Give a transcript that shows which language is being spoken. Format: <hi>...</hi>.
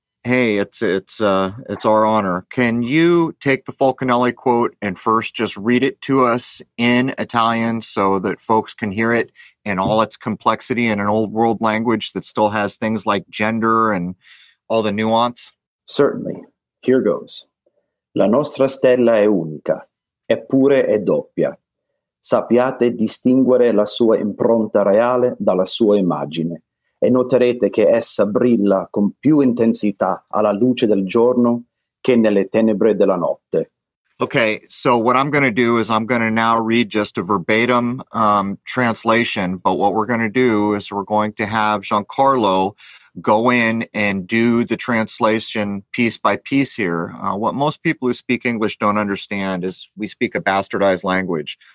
<en>Hey, it's our honor. Can you take the Falconelli quote and first just read it to us in Italian so that folks can hear it in all its complexity in an old world language that still has things like gender and all the nuance? Certainly. Here goes.</en> <it>La nostra stella è unica, eppure è doppia. Sappiate distinguere la sua impronta reale dalla sua immagine e noterete che essa brilla con più intensità alla luce del giorno che nelle tenebre della notte.</it> <en>Okay, so what I'm going to do is I'm going to now read just a verbatim translation, but what we're going to do is we're going to have Giancarlo go in and do the translation piece by piece here. What most people who speak English don't understand is we speak a bastardized language.</en>